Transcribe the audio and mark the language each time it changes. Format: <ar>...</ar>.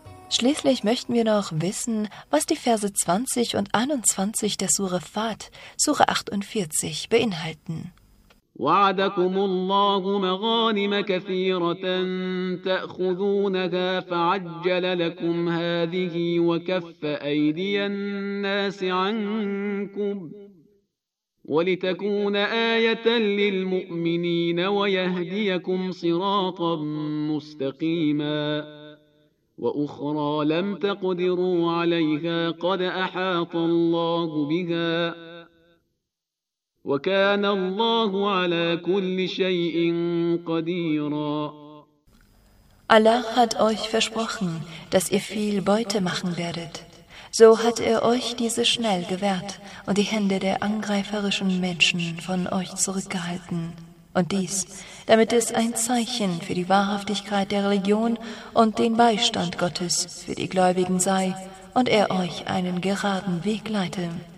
<de>Schließlich möchten wir noch wissen, was die Verse 20 und 21 der Sure Fat, Sure 48, beinhalten.</de> <ar>وعدكم الله مغانم كثيرة تأخذونها فعجل لكم هذه وكف أيدي الناس عنكم ولتكون آية للمؤمنين ويهديكم صراطا مستقيما وأخرى لم تقدروا عليها قد أحاط الله بها وَكَانَ اللَّهُ عَلَى كُلِّ شَيْءٍ قَدِيرًا.</ar> <de>Allah hat euch versprochen, dass ihr viel Beute machen werdet. So hat er euch diese schnell gewährt und die Hände der angreiferischen Menschen von euch zurückgehalten. Und dies, damit es ein Zeichen für die Wahrhaftigkeit der Religion und den Beistand Gottes für die Gläubigen sei und er euch einen geraden Weg leite.</de>